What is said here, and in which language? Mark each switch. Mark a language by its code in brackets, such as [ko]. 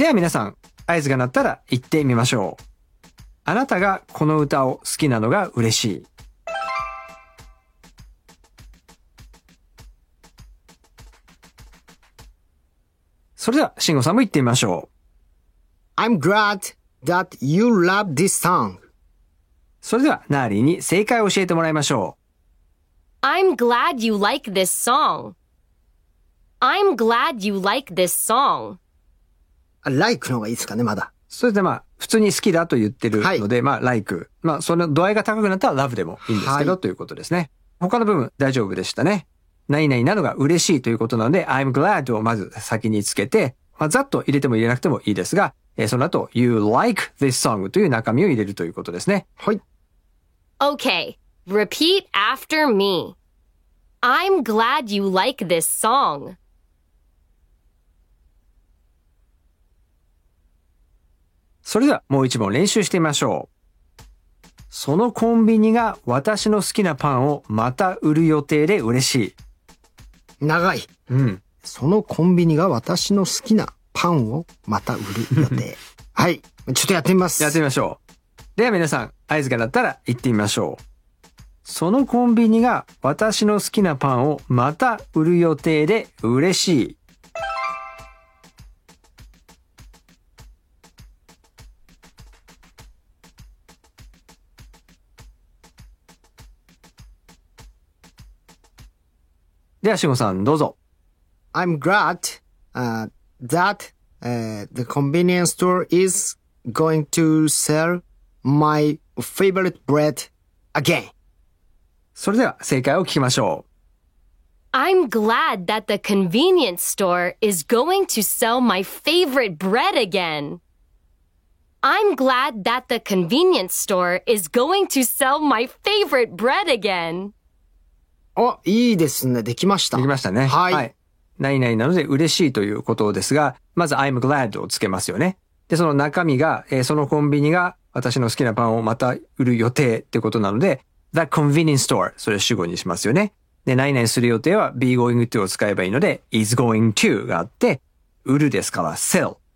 [ja] では皆さん、合図が鳴ったら言ってみましょう。あなたがこの歌を好きなのが嬉しい。それでは慎吾さんも言ってみましょう。 [en] I'm glad that you love this song. [ja] それでは、ナーリーに正解を教えてもらいましょう。 [en] I'm glad you like this song. I'm glad you like this song. [ja] like の方がいいですかね、まだ。それでまあ、普通に好きだと言ってるので、はい、まあ、like。まあ、その度合いが高くなったら love でもいいんですけど、はい、ということですね。他の部分大丈夫でしたね。何々なのが嬉しいということなので、 I'm glad をまず先につけて、まあ、ざっと入れても入れなくてもいいですが、その後、 you like this song という中身を入れるということですね。はい。 [en] Okay, repeat after me. I'm glad you like this song. [ja] それではもう一問練習してみましょう。そのコンビニが私の好きなパンをまた売る予定で嬉しい。長い。うん。そのコンビニが私の好きなパンをまた売る予定。はい。ちょっとやってみます。やってみましょう。では皆さん、合図が鳴ったら行ってみましょう。そのコンビニが私の好きなパンをまた売る予定で嬉しい。では、しごさん、どうぞ。 [en] I'm glad, that, the convenience store is going to sell my favorite bread again. [ja] それでは正解を聞きましょう。 [en] I'm glad that the convenience store is going to sell my favorite bread again. I'm glad that the convenience store is going to sell my favorite bread again. [ja] あ、いいですね。できました。できましたね。はい。はい、何々なので嬉しいということですが、まず I'm glad をつけますよね。で、その中身が、そのコンビニが私の好きなパンをまた売る予定ってことなので、 the convenience store、それを主語にしますよね。で、何々する予定は be going to を使えばいいので、 is going to があって、売るですから sell。